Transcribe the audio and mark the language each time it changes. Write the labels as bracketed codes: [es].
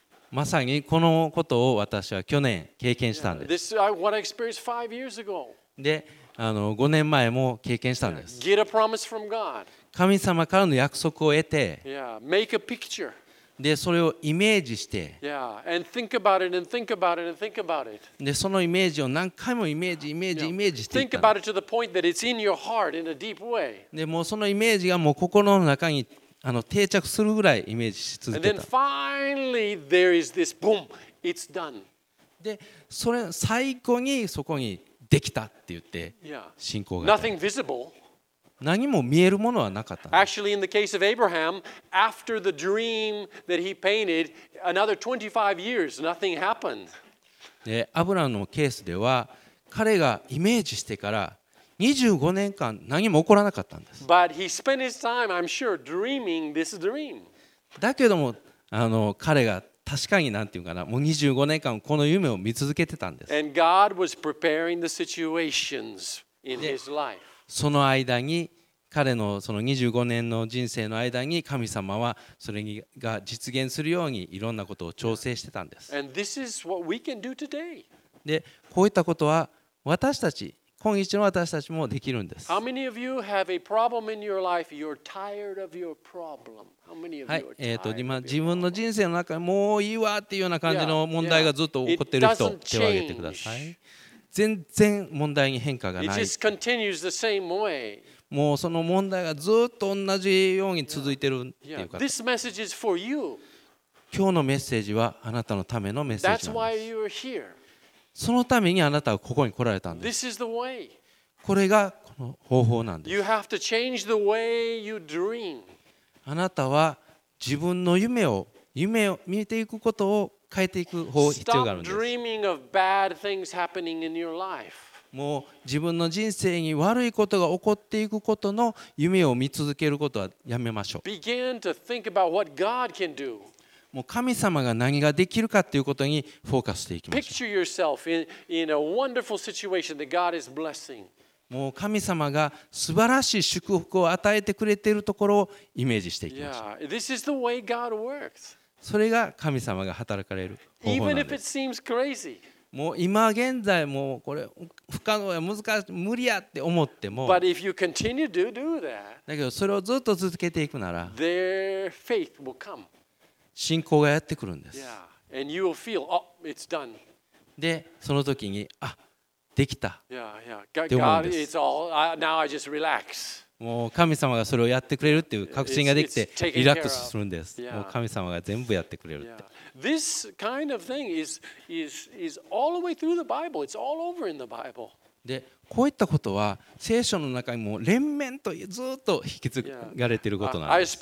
[ja] まさにこのことを私は去年経験したんです。 [en] This is what I experienced 5 years ago. [ja] で、5年前も経験したんです。 [en] Get a promise from God. [ja] 神様からの約束を得て、 [en] Yeah. Make a picture. [ja] でそれをイメージして、 [en] yeah. and think about it and think about it and think about it. [ja] でそのイメージを何回もイメージ、yeah. イメージしていった。 [en] Think about it to the point that it's in your heart in a deep way. [ja] でもうそのイメージがもう心の中に定着するぐらいイメージし続けた。 [en] And then finally there is this boom, it's done. [ja] でそれ最後にそこにできたって言って、 [en] yeah. [ja] 信仰が。 [en] Nothing visible. [ja] 何も見えるものはなかった。 [en] Actually, in the case of Abraham, after the dream that he painted, another 25 years, nothing happened. [ja] で、アブラムのケースでは、彼がイメージしてから25年間何も起こらなかったんです。 [en] But he spent his time, I'm sure, dreaming this dream. [ja] だけども、彼が確かになんていうかな、もう25年間この夢を見続けてたんです。 [en] And God was preparing the situations in his life. [ja] その間に彼のその25年の人生の間に神様はそれが実現するようにいろんなことを調整してたんです。 [en] And this is what we can do today. [ja] でこういったことは私たち今日の私たちもできるんです。 [en] How many of you have a problem in your life? You're tired of your problem. How many of you are tired? [ja] 今自分の人生の中にもういいわっていうような感じの問題がずっと起こっている人、手を挙げてください。全然問題に変化がない。 [en] It just continues the same way. [ja] もうその問題がずっと同じように続いてるっていうか、今日のメッセージはあなたのためのメッセージなんです。そのためにあなたはここに来られたんです。これがこの方法なんです。あなたは自分の夢を見ていくことを変えていく方法、必要があるんです。 [en] dreaming of bad things happening in your life. [ja] もう自分の人生に悪いことが起こっていくことの夢を見続けることはやめましょう。 [en] begin to think about what God can do. [ja] もう神様が何ができるかということにフォーカスしていきましょう。 [en] picture yourself in a wonderful situation that God is blessing. [ja] もう神様が素晴らしい祝福を与えてくれているところをイメージしていきましょう。 [en] Yeah, this is the way God works. [ja] それが神様が働かれる方法なんです。 [en] Even if it seems crazy. [ja] もう今現在もうこれ不可能や難しい無理やって思っても [en] But if you continue to do that, [ja] だけどそれをずっと続けていくなら [en] their faith will come. [ja] 信仰がやってくるんです。 [en] Yeah, and you will feel, oh, it's done. [ja] でその時にあできたって思うんです。 [en] God, it's all, now I just relax. [ja] もう神様がそれをやってくれるっていう確信ができてリラックスするんです。もう神様が全部やってくれるって。 [en] This kind of thing is all the way through the Bible. It's all over in the Bible. [ja] でこういったことは聖書の中にも連綿とずっと引き継がれていることなんです。